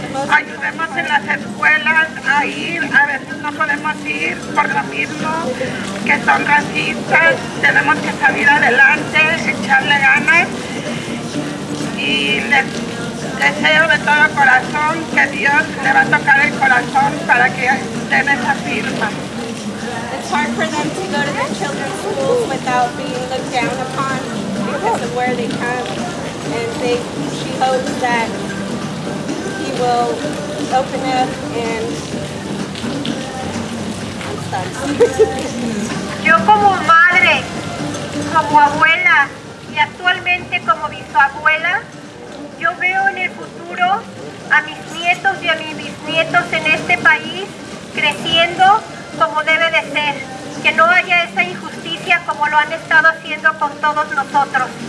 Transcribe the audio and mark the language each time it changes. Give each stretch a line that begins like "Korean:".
Spanish: Ayudemos en las escuelas a ir, a veces no podemos ir por lo mismo, que son racistas, tenemos que salir adelante, echarle ganas. Y les deseo de todo corazón que Dios le va a tocar el corazón para que den esa firma.
English: It's hard for them to go to the children's schools without being looked down upon because of where they come. And she hopes that will open up and start.
Spanish: Yo como madre, como abuela y actualmente como bisabuela, yo veo en el futuro a mis nietos y a mis bisnietos en este país creciendo como debe de ser, que no haya esa injusticia como lo han estado haciendo con todos nosotros.